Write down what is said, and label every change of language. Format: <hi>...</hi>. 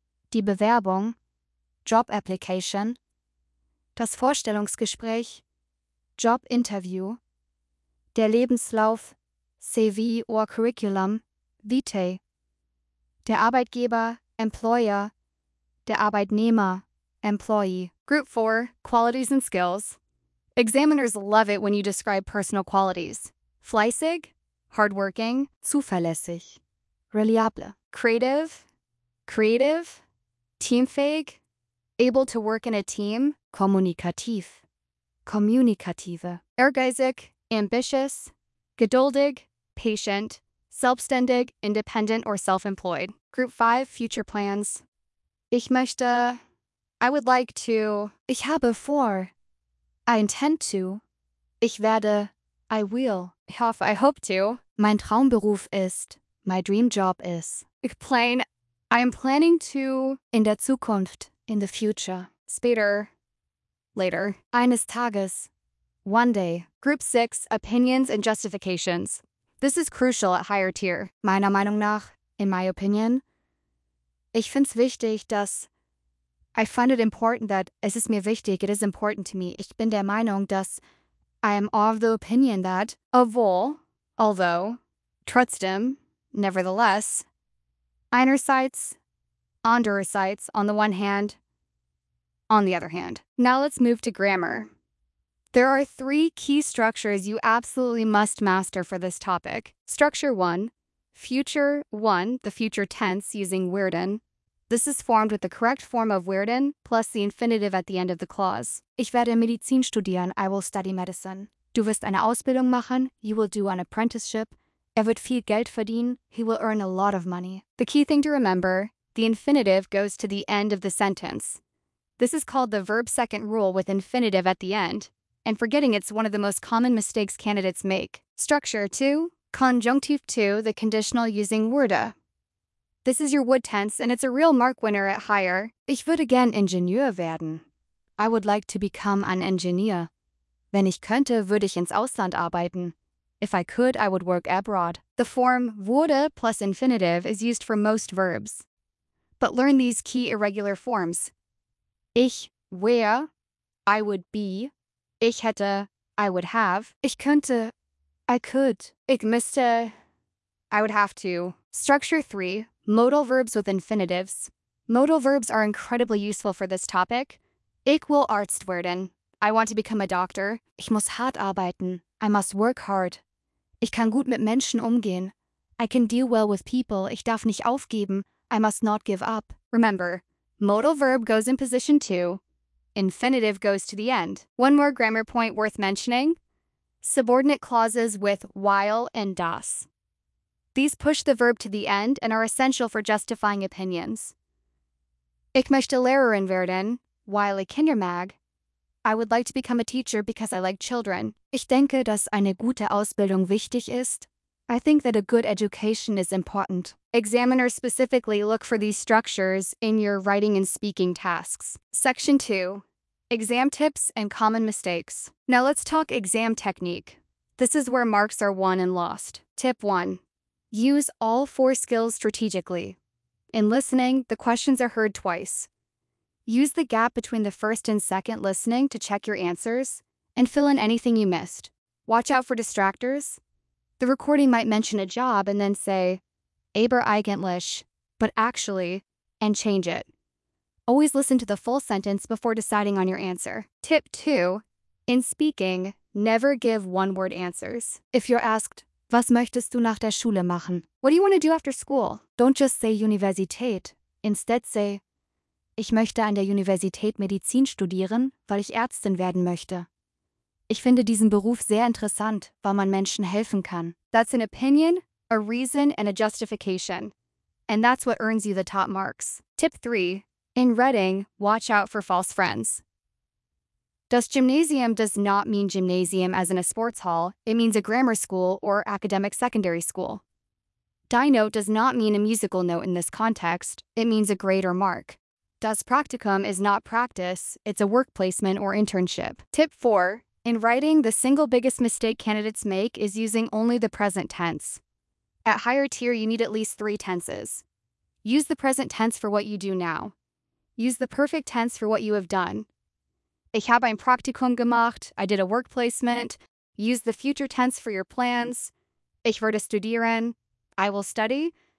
<de>Die Bewerbung,</de> <en>job application.</en> <de>Das Vorstellungsgespräch,</de> <en>job interview.</en> <de>Der Lebenslauf,</de> <en>CV or curriculum, vitae.</en> <de>Der Arbeitgeber, employer. Der Arbeitnehmer, employee.</de> <en>Group 4, qualities and skills. Examiners love it when you describe personal qualities.</en> <de>Fleißig, hardworking. Zuverlässig, reliable.</de> <en>Creative, creative. Teamfähig, able to work in a team.</en> <de>Kommunikativ, kommunikative. Ehrgeizig,</de> <en>ambitious.</en> <de>Geduldig, patient.</de> <en>Selbstständig, independent or self-employed. Group 5, future plans.</en> <de>Ich möchte...</de> <en>I would like to.</en> <de>Ich habe vor.</de> <en>I intend to.</en> <de>Ich werde.</de> <en>I will.</en> <de>Ich hoffe,</de> <en>I hope to.</en> <de>Mein Traumberuf ist.</de> <en>My dream job is.</en> <de>Ich plane.</de> <en>I am planning to.</en> <de>In der Zukunft.</de> <en>In the future.</en> <de>Später. Later. Eines Tages.</de> <en>One day. Group 6, opinions and justifications. This is crucial at higher tier.</en> <de>Meiner Meinung nach,</de> <en>in my opinion,</en> <de>ich find's wichtig, dass.</de> <en>I find it important that,</en> <de>es ist mir wichtig,</de> <en>it is important to me.</en> <de>Ich bin der Meinung, dass,</de> <en>I am of the opinion that, obwohl, although, trotzdem, nevertheless, einerseits, andererseits, on the one hand, on the other hand. Now let's move to grammar. There are 3 key structures you absolutely must master for this topic. Structure 1, future 1, the future tense using werden. This is formed with the correct form of werden plus the infinitive at the end of the clause.</en> <de>Ich werde Medizin studieren.</de> <en>I will study medicine.</en> <de>Du wirst eine Ausbildung machen.</de> <en>You will do an apprenticeship.</en> <de>Er wird viel Geld verdienen.</de> <en>He will earn a lot of money. The key thing to remember, the infinitive goes to the end of the sentence. This is called the verb second rule with infinitive at the end. And forgetting it's one of the most common mistakes candidates make. Structure 2, conjunctive 2, the conditional using würde. This is your would tense, and it's a real mark winner at higher.</en> <de>Ich würde gern Ingenieur werden.</de> <en>I would like to become an engineer.</en> <de>Wenn ich könnte, würde ich ins Ausland arbeiten.</de> <en>If I could, I would work abroad. The form würde plus infinitive is used for most verbs. But learn these key irregular forms.</en> <de>Ich wäre,</de> <en>I would be,</en> <de>ich hätte,</de> <en>I would have,</en> <de>ich könnte,</de> <en>I could,</en> <de>ich müsste,</de> <en>I would have to. Structure 3, modal verbs with infinitives. Modal verbs are incredibly useful for this topic.</en> <de>Ich will Arzt werden.</de> <en>I want to become a doctor.</en> <de>Ich muss hart arbeiten.</de> <en>I must work hard.</en> <de>Ich kann gut mit Menschen umgehen.</de> <en>I can deal well with people.</en> <de>Ich darf nicht aufgeben.</de> <en>I must not give up. Remember, modal verb goes in position 2. Infinitive goes to the end. One more grammar point worth mentioning. Subordinate clauses with while and das. These push the verb to the end and are essential for justifying opinions.</en> <de>Ich möchte Lehrerin werden, weil ich Kinder mag.</de> <en>I would like to become a teacher because I like children.</en> <de>Ich denke, dass eine gute Ausbildung wichtig ist.</de> <en>I think that a good education is important. Examiners specifically look for these structures in your writing and speaking tasks. Section 2, exam tips and common mistakes. Now let's talk exam technique. This is where marks are won and lost. Tip 1, use all 4 skills strategically. In listening, the questions are heard twice. Use the gap between the first and second listening to check your answers and fill in anything you missed. Watch out for distractors. The recording might mention a job and then say, aber eigentlich, but actually, and change it. Always listen to the full sentence before deciding on your answer. Tip 2, in speaking, never give one-word answers. If you're asked,</en> <de>was möchtest du nach der Schule machen?</de> <en>What do you want to do after school? Don't just say Universität. Instead say,</en> <de>ich möchte an der Universität Medizin studieren, weil ich Ärztin werden möchte. Ich finde diesen Beruf sehr interessant, weil man Menschen helfen kann.</de> <en>That's an opinion, a reason, and a justification. And that's what earns you the top marks. Tip 3. In Reading, watch out for false friends. Das Gymnasium does not mean gymnasium as in a sports hall. It means a grammar school or academic secondary school. Die Note does not mean a musical note in this context. It means a grade or mark. Das Praktikum is not practice, it's a work placement or internship. Tip 4. In writing, the single biggest mistake candidates make is using only the present tense. At higher tier, you need at least 3 tenses. Use the present tense for what you do now. Use the perfect tense for what you have done.</en> <de>Ich habe ein Praktikum gemacht,</de> <en>I did a work placement. Use the future tense for your plans.</en> <de>Ich werde studieren,</de> <en>I will study.</en>